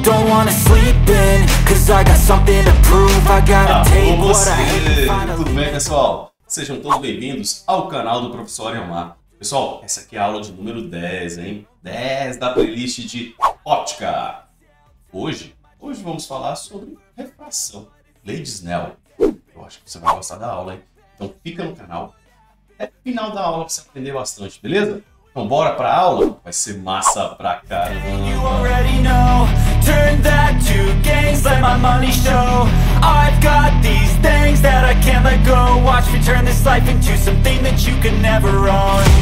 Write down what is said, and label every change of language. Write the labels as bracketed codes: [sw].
[en] wanna sleep in, cause I got something to prove. I gotta take what I have. [pt] Tudo bem, pessoal? Sejam todos bem-vindos ao canal do Professor Elmar. Pessoal, essa aqui é a aula de número 10, hein? 10 da playlist de óptica. Hoje vamos falar sobre refração. Lei de Snell. Eu acho que você vai gostar da aula, hein? Então fica no canal. É no final da aula que você aprender bastante, beleza? Então bora pra aula? Vai ser massa pra caramba. You already know. [en] Turn that to gains, let my money show. I've got these things that I can't let go. Watch me turn this life into something that you can never own.